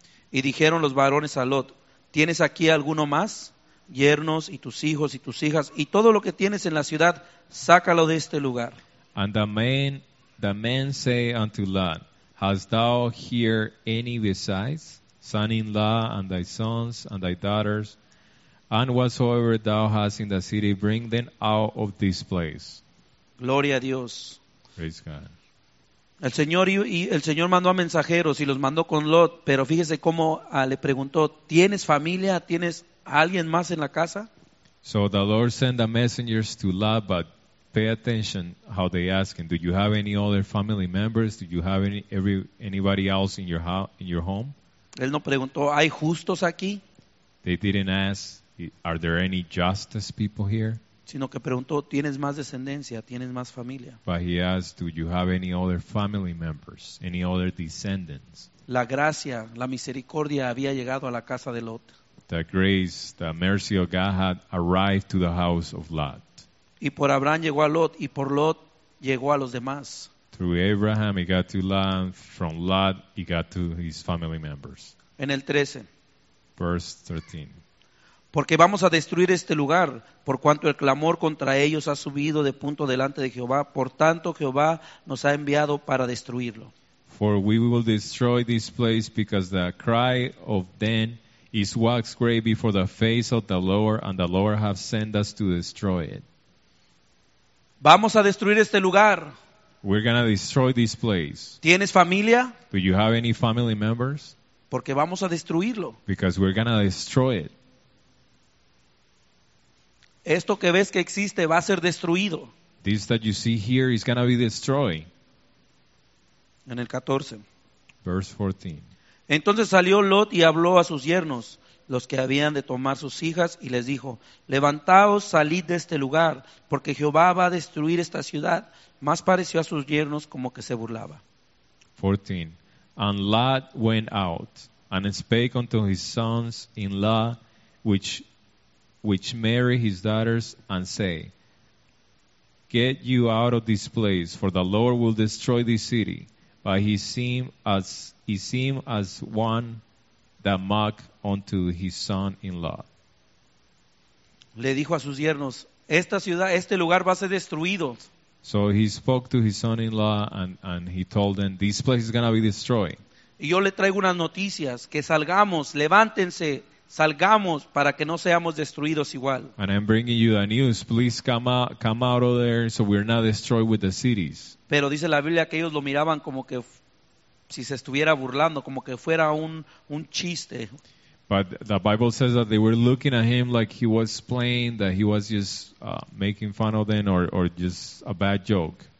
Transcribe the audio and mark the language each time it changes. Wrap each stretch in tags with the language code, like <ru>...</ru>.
<es>Y dijeron los varones a Lot, ¿tienes aquí alguno más? Yernos y tus hijos y tus hijas y todo lo que tienes en la ciudad, sácalo de este lugar.</es> <en>And the men say unto Lot, hast thou here any besides, son-in-law and thy sons and thy daughters, and whatsoever thou hast in the city, bring them out of this place.</en> <es>Gloria a Dios.</es> <en>Praise God.</en> <es>El Señor mandó a mensajeros y los mandó con Lot, pero fíjese cómo le preguntó, ¿tienes familia? ¿Tienes alguien más en la casa?</es> <en>So the Lord sent the messengers to Lot, but pay attention how they ask him, do you have any other family members? Do you have anybody else in your home?</en> <es>Él no preguntó, ¿hay justos aquí?</es> <en>They didn't ask, are there any justice people here?</en> <es>Sino que preguntó, ¿tienes más descendencia? ¿Tienes más familia?</es> <en>But he asked, do you have any other family members? Any other descendants?</en> <es>La gracia, la misericordia había llegado a la casa de Lot.</es> <en>The grace, the mercy of God had arrived to the house of Lot.</en> <es>Y por Abraham llegó a Lot, y por Lot llegó a los demás.</es> <en>Through Abraham he got to Lot, from Lot he got to his family members.</en> <es>En el 13.</es> <en>Verse 13.</en> <es>Porque vamos a destruir este lugar, por cuanto el clamor contra ellos ha subido de punto delante de Jehová, por tanto Jehová nos ha enviado para destruirlo.</es> <en>For we will destroy this place because the cry of them is waxed great before the face of the Lord, and the Lord hath sent us to destroy it.</en> <es>Vamos a destruir este lugar.</es> <en>We're going to destroy this place.</en> <es>¿Tienes familia?</es> <en>Do you have any family members?</en> <es>Porque vamos a destruirlo.</es> <en>Because we're going to destroy it.</en> <es>Esto que ves que existe va a ser destruido.</es> <en>This that you see here is going to be destroyed.</en> <es>En el 14.</es> <en>Verse 14.</en> <es>Entonces salió Lot y habló a sus yernos, los que habían de tomar sus hijas, y les dijo, levantaos, salid de este lugar, porque Jehová va a destruir esta ciudad. Más pareció a sus yernos como que se burlaba.</es> <en>14. And Lot went out, and spake unto his sons-in-law, which marry his daughters, and say, get you out of this place, for the Lord will destroy this city. But he seemed as one that mocked unto his son-in-law.</en> <es>Le dijo a sus yernos, esta ciudad, este lugar va a ser destruido.</es> <en>So he spoke to his son-in-law and he told them, this place is going to be destroyed.</en> <es>Y yo le traigo unas noticias, que salgamos, levántense, salgamos para que no seamos destruidos igual.</es> <en>And I'm bringing you the news, please come out of there so we're not destroyed with the cities.</en> <es>Pero dice la Biblia que ellos lo miraban como que si se estuviera burlando, como que fuera un chiste.</es> <en>But the Bible says that they were looking at him like he was playing, that he was just making fun of them or just a bad joke.</en>